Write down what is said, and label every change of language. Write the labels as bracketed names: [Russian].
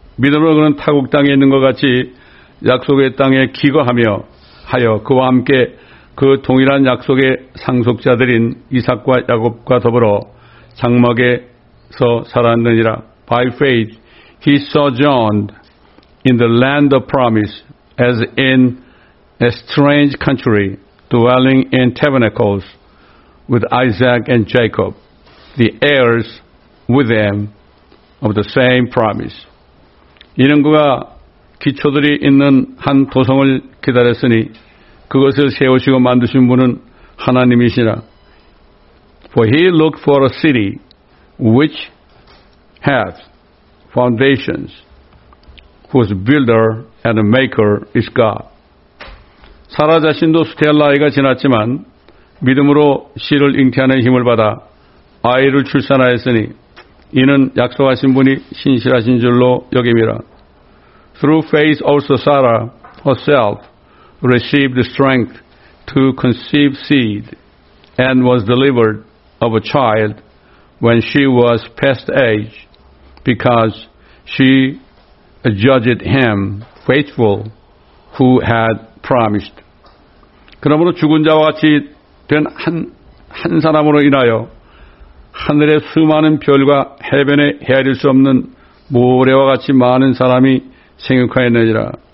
[Korean] 믿음으로 그는 타국 땅에 있는 것 같이 약속의 땅에 기거하며 하여 그와 함께 그 동일한 약속의 상속자들인 이삭과 야곱과 더불어 장막에서 살았느니라. [English] By faith he sojourned in the land of promise as in a strange country, dwelling in tabernacles with Isaac and Jacob, the heirs with them of the same promise. [Korean] 이는 그가 기초들이 있는 한 도성을 기다렸으니 그것을 세우시고 만드신 분은 하나님이시라. [English] For he looked for a city which hath foundations, whose builder and maker is God. [Korean] 사라 자신도 수태할 나이가 지났지만 믿음으로 씨를 잉태하는 힘을 받아 아이를 출산하였으니 이는 약속하신 분이 신실하신 줄로 여김이라. [English] Through faith also Sarah herself received strength to conceive seed and was delivered of a child when she was past age because she judged him faithful who had promised. [Korean] 그러므로 죽은 자와 같이 된 한 사람으로 인하여 하늘의 수많은 별과 해변에 헤아릴 수 없는 모래와 같이 많은 사람이 생육하였느니라.